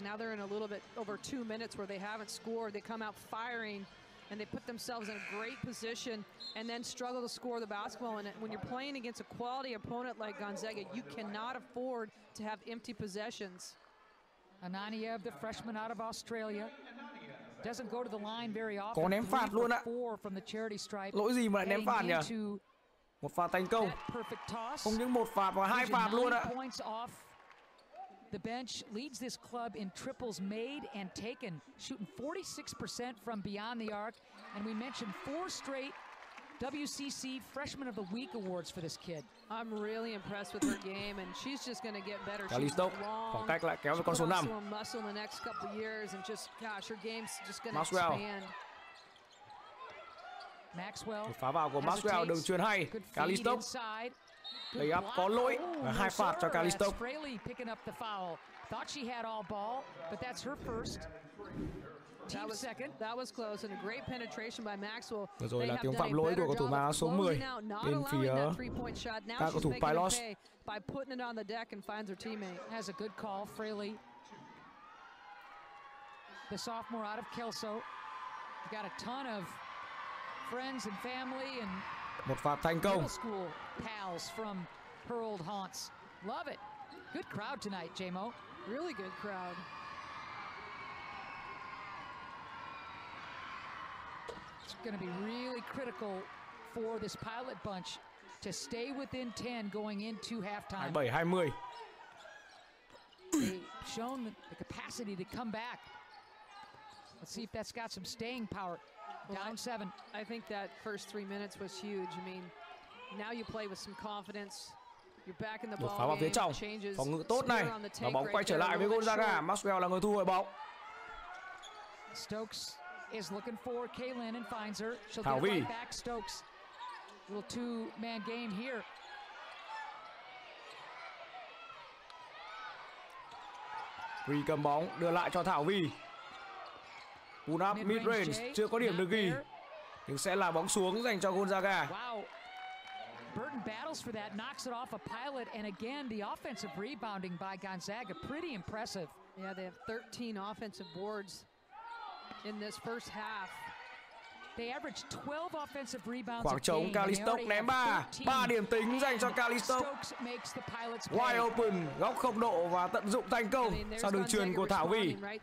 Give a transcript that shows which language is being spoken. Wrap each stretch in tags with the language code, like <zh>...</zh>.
<en>Now they're in a little bit over 2 minutes where they haven't scored. They come out firing, and they put themselves in a great position and then struggle to score the basketball. And when you're playing against a quality opponent like Gonzaga, you cannot afford to have empty possessions. Anania, the freshman out of Australia, doesn't go to the line very often.</en> <vi>Có ném phạt luôn ạ.</vi> <en>From the charity stripe.</en> <vi>Lỗi gì mà lại ném phạt nhỉ? Một phạt thành công, không những một phạt mà hai phạt luôn ạ.</vi> <en>The bench leads this club in triples made and taken, shooting 46% from beyond the arc, and we mentioned four straight WCC Freshman of the Week awards for this kid. I'm really impressed with her game, and she's just going to get better.</en> <vi>Kalisto, khoảng cách lại kéo về con số 5.</vi> <en>She's got some muscle in the next couple years, and just, gosh, her game's just going to expand. Maxwell.</en> <vi>Phá vào của Maxwell, đường chuyền hay. Kalisto. Layup có lỗi. Hai phạt cho Kalisto.</vi> <en>Picking up the foul. Thought she had all ball, but that's her first. That was second. That was close and a great penetration by Maxwell.</en> <vi>Vừa rồi là tiếng phạm lỗi của cầu thủ má số 10 bên phía các cầu thủ Pylos.</vi> <en>By putting it on the deck and finds her teammate. Has a good call, Fraley. The sophomore out of Kelso. Got a ton of friends and family and</en> <vi>một phạt thành công.</vi> <en>School pals from her old haunts. Love it. Good crowd tonight, J-Mo. Really good crowd. It's going to be really critical for this pilot bunch to stay within 10 going into halftime. 27-20. They've shown the capacity to come back. Let's see if that's got some staying power. Down seven. I think that first 3 minutes was huge. I mean, now you play with some confidence. You're back in the ball.</en> <vi>Phá vào phía trong. Phòng ngự tốt này. Và bóng quay trở lại với Gonzaga. Maxwell là người thu hồi bóng.</vi> <en>Stokes is looking for Kaylin and finds her.</en> <vi>Thảo Vy.</vi> <en>Back Stokes. Little two-man game here.</en> <vi>Vy cầm bóng đưa lại cho Thảo Vy.</vi> <en>Pull up mid-range,</en> <vi>chưa có điểm được ghi. Nhưng sẽ là bóng xuống dành cho Gonzaga.</vi> <en>Wow. Burton battles for that, knocks it off a pilot. And again, the offensive rebounding by Gonzaga, pretty impressive. Yeah, they have 13 offensive boards in this first half. They average 12 offensive rebounds.</en> <vi>Khoảng trống, Kalisto ném 3. 3 điểm tính dành cho Kalisto.</vi> <en>Wide open,</en> <vi>góc không độ và tận dụng thành công sau đường truyền của Thảo Vy.</vi>